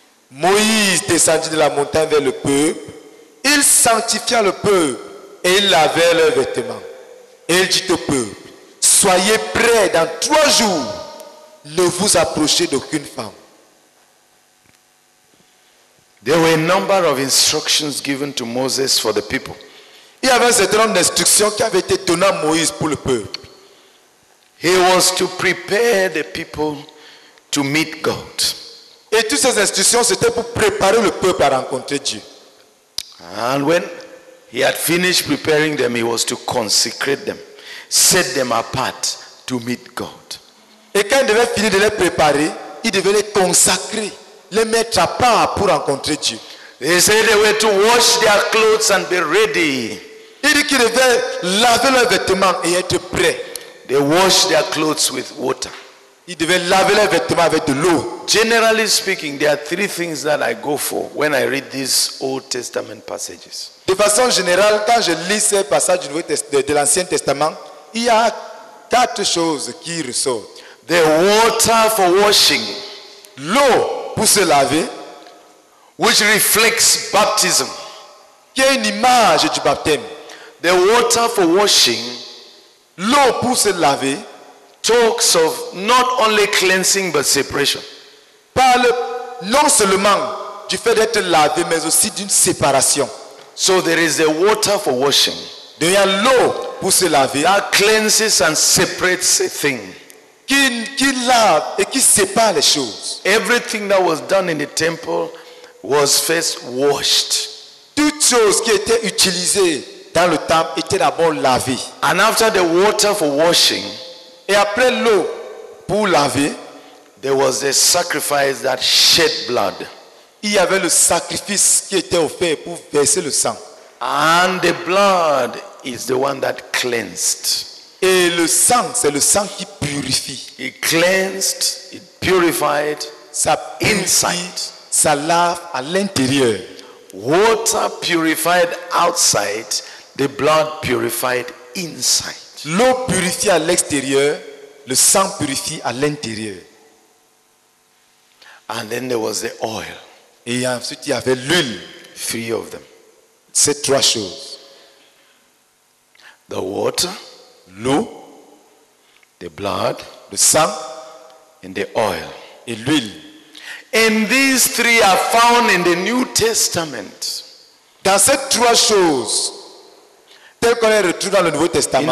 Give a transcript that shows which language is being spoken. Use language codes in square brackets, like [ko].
[fr] Moïse descendit de la montagne vers le peuple. Il sanctifia le peuple et il lavait leurs vêtements. Et il dit au peuple, soyez prêts dans trois jours, ne vous approchez d'aucune femme. [en] There were a number of instructions given to Moses for the people. [fr] Il y avait un certain nombre d'instructions qui avaient été données à Moïse pour le peuple. [en] He was to prepare the people to meet God. [fr] Et toutes ces instructions, c'était pour préparer le peuple à rencontrer Dieu. [en] And when he had finished preparing them, he was to consecrate them, set them apart to meet God. [fr] Et quand il devait finir de les préparer, il devait les consacrer. Les mettre à part pour rencontrer Dieu. [en] They said they were to wash their clothes and be ready. [fr] Il dit qu'ils devaient laver leurs vêtements et être prêts. [en] They wash their clothes with water. [fr] Ils devaient laver leurs vêtements avec de l'eau. [en] Generally speaking, there are three things that I go for when I read these Old Testament passages. [fr] De façon générale, quand je lis ces passages du Nouveau Testament, de l'Ancien Testament, il y a quatre choses qui ressortent. [en] The water for washing, [fr] l'eau pour se laver, [en] which reflects baptism. [fr] Qui est une image du baptême. [en] The water for washing, [fr] l'eau pour se laver, [en] talks of not only cleansing but separation. [fr] Parle non seulement du fait d'être lavé, mais aussi d'une séparation. [en] So there is the water for washing. [fr] Il y a l'eau pour se laver. [en] That cleanses and separates a thing. [fr] Qui lave et qui sépare les choses. [en] Everything that was done in the temple was first washed. [fr] Toute chose qui était utilisée dans le temple était d'abord lavée. [en] And after the water for washing, [fr] et après l'eau pour laver, [en] there was a sacrifice that shed blood. [fr] Il y avait le sacrifice qui était offert pour verser le sang. [en] And the blood is the one that cleansed. [fr] Et le sang, c'est le sang qui purifie. [en] It cleansed, it purified, [fr] ça [en] inside, [fr] ça lave à l'intérieur. [en] Water purified outside, the blood purified inside. [fr] L'eau purifie à l'extérieur, le sang purifie à l'intérieur. [en] And then there was the oil. [fr] Et ensuite, il y avait l'huile. [en] Three of them. [fr] Ces trois choses. [en] The water. [fr] L'eau. [en] The blood. [fr] Le sang. [en] And the oil. [fr] Et l'huile. [en] And these three are found in the New Testament. [fr] Dans ces trois choses, telles qu'on les retrouve dans le Nouveau Testament.